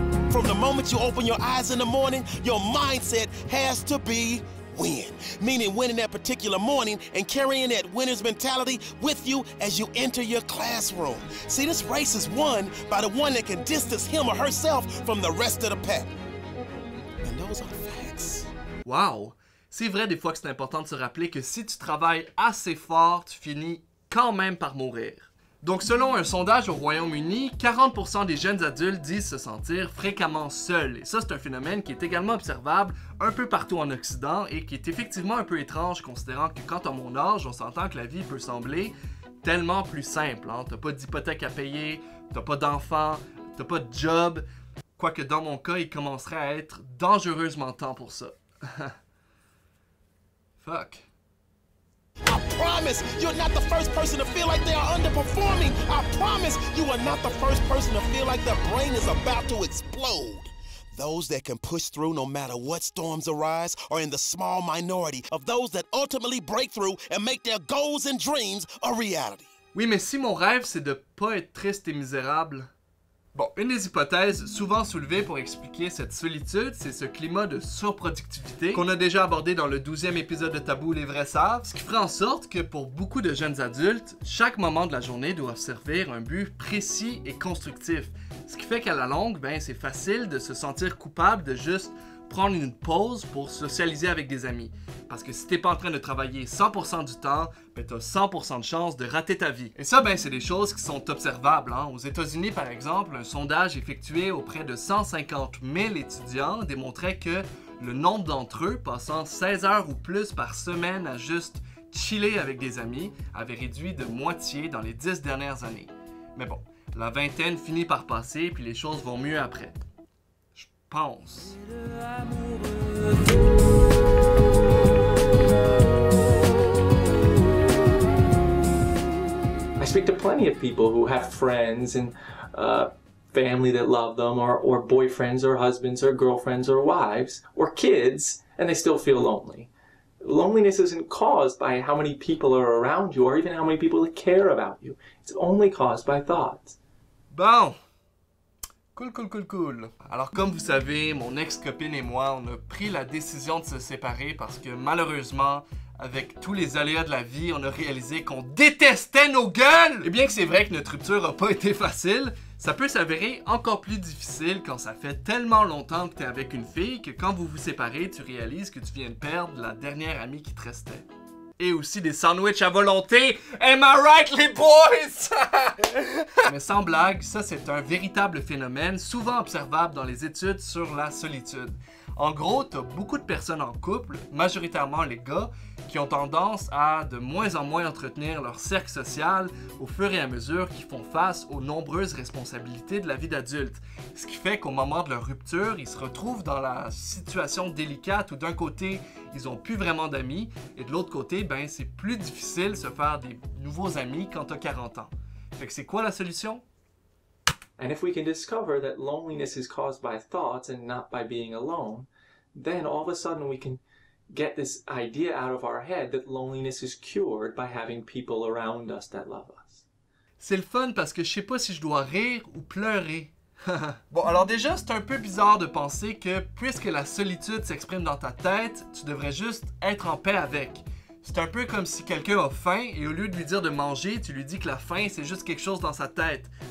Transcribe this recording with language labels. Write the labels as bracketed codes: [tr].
[en] From the moment you open your eyes in the morning, your mindset has to be... win, meaning winning that particular morning and carrying that winner's mentality with you as you enter your classroom. See, this race is won by the one that can distance him or herself from the rest of the pack. And those are facts. [fr] Wow, c'est vrai des fois que c'est important de se rappeler que si tu travailles assez fort, tu finis quand même par mourir. Donc, selon un sondage au Royaume-Uni, 40% des jeunes adultes disent se sentir fréquemment seuls. Et ça, c'est un phénomène qui est également observable un peu partout en Occident et qui est effectivement un peu étrange, considérant que quand à mon âge, on s'entend que la vie peut sembler tellement plus simple. Hein? T'as pas d'hypothèque à payer, t'as pas d'enfant, t'as pas de job. Quoique dans mon cas, il commencerait à être dangereusement temps pour ça. [en] Fuck. I promise you're not the first person to feel like they are underperforming. I promise you are not the first person to feel like their brain is about to explode. Those that can push through no matter what storms arise are in the small minority of those that ultimately break through and make their goals and dreams a reality. [fr] Oui, mais si mon rêve c'est de pas être triste et misérable. Bon, une des hypothèses souvent soulevées pour expliquer cette solitude, c'est ce climat de surproductivité qu'on a déjà abordé dans le 12e épisode de Tabou, les vrais savent, ce qui ferait en sorte que pour beaucoup de jeunes adultes, chaque moment de la journée doit servir un but précis et constructif, ce qui fait qu'à la longue, ben, c'est facile de se sentir coupable de juste prendre une pause pour socialiser avec des amis. Parce que si t'es pas en train de travailler 100% du temps, ben t'as 100% de chance de rater ta vie. Et ça, ben, c'est des choses qui sont observables. Hein? Aux États-Unis, par exemple, un sondage effectué auprès de 150 000 étudiants démontrait que le nombre d'entre eux passant 16 heures ou plus par semaine à juste chiller avec des amis avait réduit de moitié dans les 10 dernières années. Mais bon, la vingtaine finit par passer, puis les choses vont mieux après. Pense. [en] I speak to plenty of people who have friends and family that love them, or boyfriends or husbands or girlfriends or wives or kids, and they still feel lonely. Loneliness isn't caused by how many people are around you or even how many people care about you. It's only caused by thoughts. [fr] Bon. Cool, cool, cool, cool. Alors comme vous savez, mon ex-copine et moi, on a pris la décision de se séparer parce que malheureusement, Avec tous les aléas de la vie, on a réalisé qu'on détestait nos gueules! Et bien que c'est vrai que notre rupture a pas été facile, ça peut s'avérer encore plus difficile quand ça fait tellement longtemps que t'es avec une fille que quand vous vous séparez, tu réalises que tu viens de perdre la dernière amie qui te restait. Et aussi des sandwichs à volonté! [en] Am I right, [fr] les boys? Mais sans blague, ça c'est un véritable phénomène souvent observable dans les études sur la solitude. En gros, t'as beaucoup de personnes en couple, majoritairement les gars, qui ont tendance à de moins en moins entretenir leur cercle social au fur et à mesure qu'ils font face aux nombreuses responsabilités de la vie d'adulte. Ce qui fait qu'au moment de leur rupture, ils se retrouvent dans la situation délicate où d'un côté, ils n'ont plus vraiment d'amis, et de l'autre côté, ben c'est plus difficile de se faire des nouveaux amis quand t'as 40 ans. Fait que c'est quoi la solution? [en] And if we can discover that loneliness is caused by thoughts and not by being alone, then all of a sudden we can get this idea out of our head that loneliness is cured by having people around us that love us. [fr] C'est le fun parce que je sais pas si je dois rire ou pleurer. Bon, alors déjà, c'est un peu bizarre de penser que puisque la solitude s'exprime dans ta tête, tu devrais juste être en paix avec. C'est un peu comme si quelqu'un a faim et au lieu de lui dire de manger, tu lui dis que la faim, c'est juste quelque chose dans sa tête.